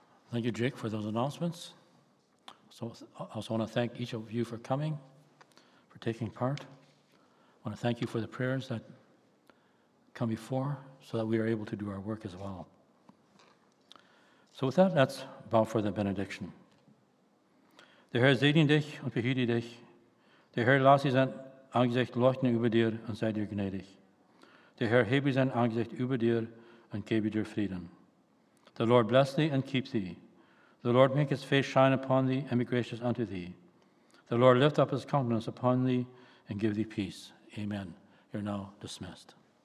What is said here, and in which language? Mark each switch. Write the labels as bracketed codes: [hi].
[en] Thank you, Jake, for those announcements. So I also want to thank each of you for coming, for taking part. I want to thank you for the prayers that come before so that we are able to do our work as well. So with that, let's bow for the benediction. [de] Der Herr segne dich und behüte dich. Der Herr lasse sein Angesicht leuchten über dir und sei dir gnädig. Der Herr hebe sein Angesicht über dir und gebe dir Frieden. [en] The Lord bless thee and keep thee. The Lord make his face shine upon thee and be gracious unto thee. The Lord lift up his countenance upon thee and give thee peace. Amen. You're now dismissed.